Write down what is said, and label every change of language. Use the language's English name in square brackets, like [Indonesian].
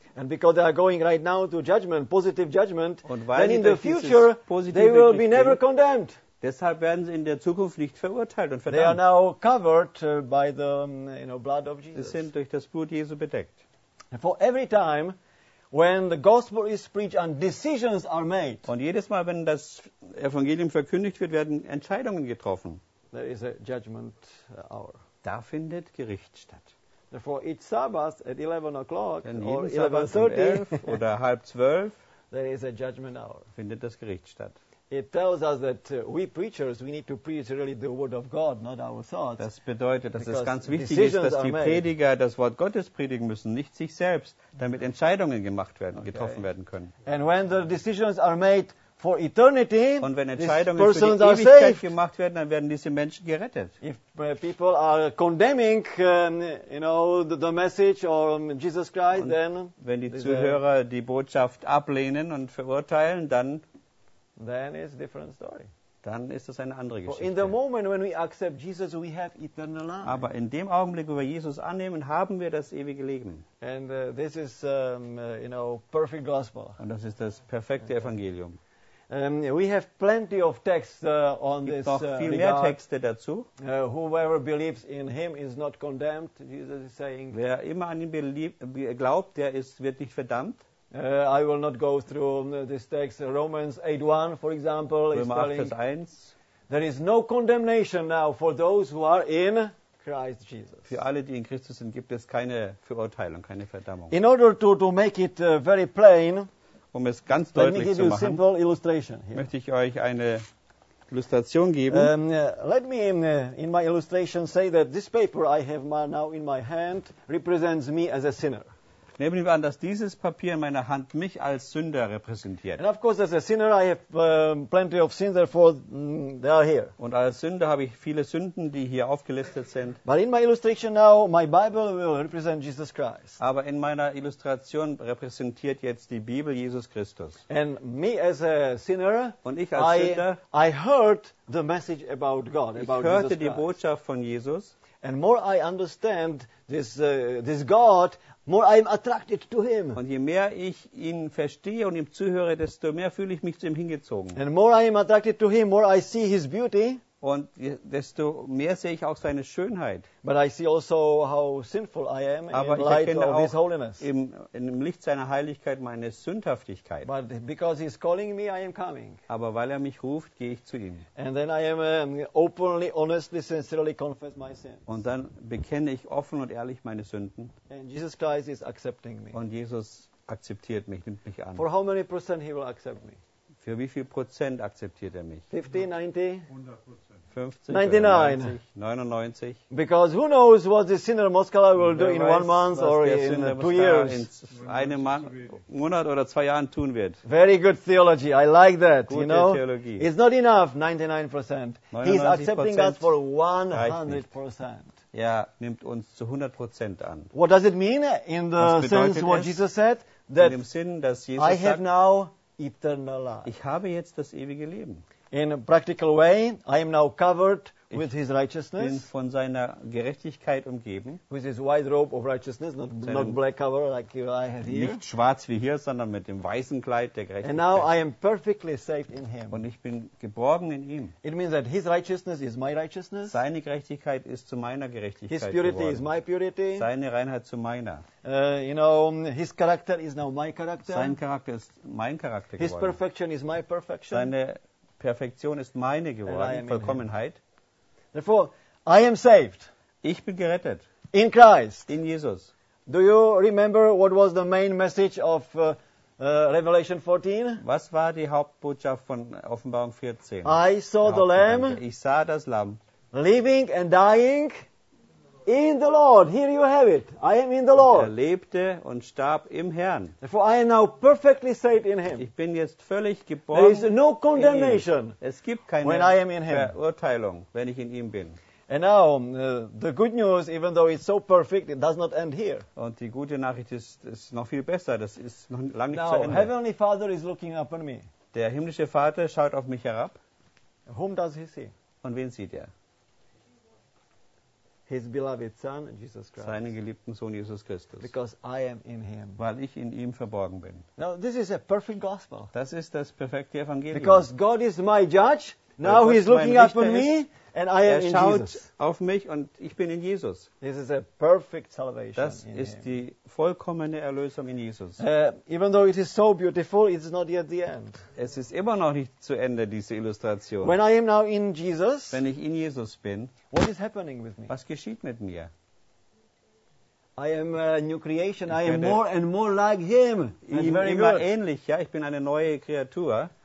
[English] And because they are going right now to judgment, positive judgment, [German] und weil [English] then in the future they will be never [German] gehen. [English] Condemned. [German] Deshalb werden sie in der Zukunft nicht verurteilt und verdammt. [English] They are now covered by the, you know, blood of Jesus. [German] Sie sind durch das Blut Jesu bedeckt. [English] And for every time when the gospel is preached and decisions are made. [German] Und jedes Mal, wenn das Evangelium verkündigt wird, werden Entscheidungen getroffen. [English] There is a judgment hour. [German] Da findet Gericht statt. [English] Therefore, each Sabbath at 11 o'clock or 11:30 [German] oder halb zwölf, [English] there is a judgment hour. [German] Findet das Gericht statt. [English] It tells us that we preachers we need to preach really the word of God, not our thoughts. [German] Das bedeutet, dass es ganz wichtig ist, dass die Prediger das Wort Gottes predigen müssen, nicht sich selbst, damit Entscheidungen gemacht werden, getroffen werden können. [English] And when the decisions are made for eternity, [German] und wenn Entscheidungen für die Ewigkeit gemacht werden, dann werden diese Menschen gerettet. [English] If people are condemning, you know, the message or Jesus Christ, then [German] wenn die Zuhörer die Botschaft ablehnen und verurteilen, dann [English] then it's a different story. [German] Dann ist das eine andere Geschichte. [English] In the moment when we accept Jesus, we have eternal life. [German] Aber in dem Augenblick, wo wir Jesus annehmen, haben wir das ewige Leben. [English] And this is, you know, perfect gospel. [German] Und das ist das perfekte Evangelium. [English] We have plenty of texts on [German] gibt [English] this. [German] Noch viel mehr Texte dazu. [English] Whoever believes in him is not condemned. Jesus is saying. [German] Wer immer an ihn glaubt, der ist wird nicht verdammt. [English] I will not go through this text. Romans 8:1, for example, [German] Römer [English] is telling [German] 1. [English] There is no condemnation now for those who are in Christ Jesus. [German] Für alle, die in Christus sind, gibt es keine Verurteilung, keine Verdammung. [English] In order to make it very plain, [German] um es ganz deutlich [English] let me give you a simple illustration here. [German] Möchte ich euch eine Illustration geben. [English] Let me in my illustration say that this paper I have now in my hand represents me as a sinner. [German] Nehmen wir an, dass dieses Papier in meiner Hand mich als Sünder repräsentiert. [English] And of course, as a sinner, I have plenty of sins, therefore they are here. [German] Und als Sünder habe ich viele Sünden, die hier aufgelistet sind. [English] But in my illustration now, my Bible will represent Jesus Christ. [German] Aber in meiner Illustration repräsentiert jetzt die Bibel Jesus Christus. [English] And me as a sinner, [German] und ich als Sünder, [English] I heard the message about God, about Christ. [German] Ich hörte die Botschaft von Jesus. [English] And more I understand this God, more I'm attracted to him. [German] Und je mehr ich ihn verstehe und ihm zuhöre, desto mehr fühle ich mich zu ihm hingezogen. [English] And more I'm attracted to him, more I see his beauty. [German] Und desto mehr sehe ich auch seine Schönheit. [English] But I see also how sinful I am [German] aber [English] in light of his holiness. [German] Im Licht seiner Heiligkeit meine Sündhaftigkeit. [English] But because he's calling me, I am coming. [German] Aber weil er mich ruft, gehe ich zu ihm. [English] And then I am openly, honestly, sincerely confess my sins. [German] Und dann bekenne ich offen und ehrlich meine Sünden. [English] And Jesus Christ is accepting me. [German] Und Jesus akzeptiert mich, nimmt mich an. [English] For how many percent he will accept me? [German] Für wie viel Prozent akzeptiert er mich? [English] 50, 90? 100%. 99. Because who knows what the sinner Moskala will do in 1 month or in 2 years. [German] In einem Monat oder zwei Jahren tun wird. [English] Very good theology. I like that. [German] Gute, [English] you know, [German] Theologie. [English] It's not enough, 99%. He's accepting us for 100%. [German] Ja, nimmt uns zu 100% an. [English] What does it mean in the sense what Jesus said? [German] That in dem Sinn, dass Jesus [English] I have now eternal life. [German] Ich habe jetzt das ewige Leben. [English] In a practical way, I am now covered with his righteousness. [German] Bin von seiner Gerechtigkeit umgeben. [English] With his white robe of righteousness, not black cover like I have here. [German] Nicht schwarz wie hier, sondern mit dem weißen Kleid der Gerechtigkeit. [English] And now I am perfectly saved in him. [German] Und ich bin geborgen in ihm. [English] It means that his righteousness is my righteousness. [German] Seine Gerechtigkeit ist zu meiner Gerechtigkeit geworden. [English] His purity [German] geworden. [English] Is my purity. [German] Seine Reinheit zu meiner. [English] You know, his character is now my character. [German] Sein Charakter ist mein Charakter [English] his [German] geworden. [English] His perfection is my perfection. [German] Seine Perfektion ist meine geworden, Vollkommenheit. [English] Therefore, I am saved. [German] Ich bin gerettet. [English] In Christ. [German] In Jesus. [English] Do you remember what was the main message of Revelation 14? [German] Was war die Hauptbotschaft von Offenbarung 14? [English] I saw the Lamb. [German] Ich sah das Lamm. [English] Living and dying in the Lord. Here you have it. I am in the Lord. [German] Er lebte und starb im Herrn. [English] Therefore, I am now perfectly saved in him. [German] Ich bin jetzt völlig geborgen. [English] There is no condemnation. [German] Es gibt keine [English] when I am in him. [German] Verurteilung, wenn ich in ihm bin. [English] And now, the good news, even though it's so perfect, it does not end here. [German] Und die gute Nachricht ist noch viel besser. Das ist noch lange nicht zu Ende. [English] Now, Heavenly Father is looking upon me. [German] Der himmlische Vater schaut auf mich herab. [English] Whom does he see? [German] Und wen sieht er? [English] His beloved son, Jesus Christ. [German] Seinen geliebten Sohn Jesus Christus. [English] Because I am in him. [German] Weil ich in ihm verborgen bin. [English] Now this is a perfect gospel. [German] Das ist das perfekte Evangelium. [English] Because God is my judge. Now he is looking up on me and I am in Jesus. [German] Er schaut auf mich und ich bin in Jesus. [English] This is a perfect salvation. [German] Das ist die vollkommene Erlösung in Jesus. [English] Even though it is so beautiful, it is not yet the end. [German] Es ist immer noch nicht zu Ende, diese Illustration. [English] When I am now in Jesus, [German] wenn ich in Jesus bin, [English] what is happening with me? [German] Was geschieht mit mir? [English] I am a new creation. I am more and more like him. [German] Ich bin immer ähnlich, ja, ich bin eine neue Kreatur.